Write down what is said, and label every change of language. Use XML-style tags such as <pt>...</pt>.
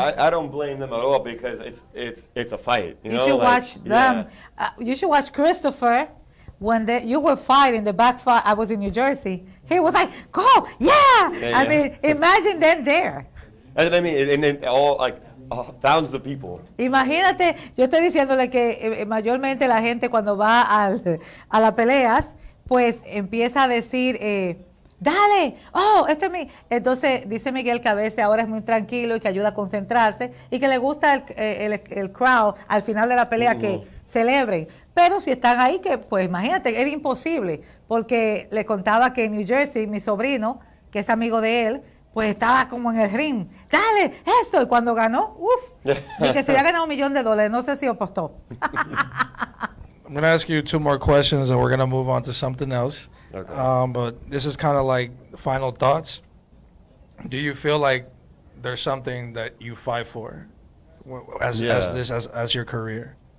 <en>But I don't blame them at all because it's a fight. You know? You should watch them. Yeah. You should watch Christopher. When you were fighting the back fight, I was in New Jersey. He was like, go, yeah. I mean, imagine them there. And I mean, and then all like, thousands of people.</en> <es>Imagínate, yo estoy diciéndole que mayormente la gente cuando va a las peleas, pues empieza a decir, dale, oh, este es mi. Entonces dice Miguel que a veces ahora es muy tranquilo y que ayuda a concentrarse y que le gusta el crowd al final de la pelea que celebren. Pero si están ahí, que pues imagínate, era imposible. Porque le contaba que en New Jersey, mi sobrino, que es amigo de él, pues estaba como en el ring. ¡Dale! ¡Eso! Y cuando ganó, ¡uf! Y que se había ganado $1,000,000. No sé si apostó.</es> <en>I'm going to ask you 2 more questions and we're going to move on to something else. Okay. But this is kind of like final thoughts. Do you feel like there's something that you fight for as your career?</en>